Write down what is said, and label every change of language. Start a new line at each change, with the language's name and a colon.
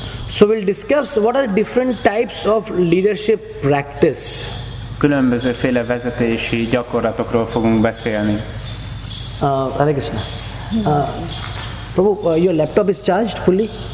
English: So we'll discuss what are different types of leadership practice.
Hungarian: Különböző féle vezetési gyakorlatokról fogunk beszélni.
English: Hare Krishna. Prabhu, your laptop is charged fully?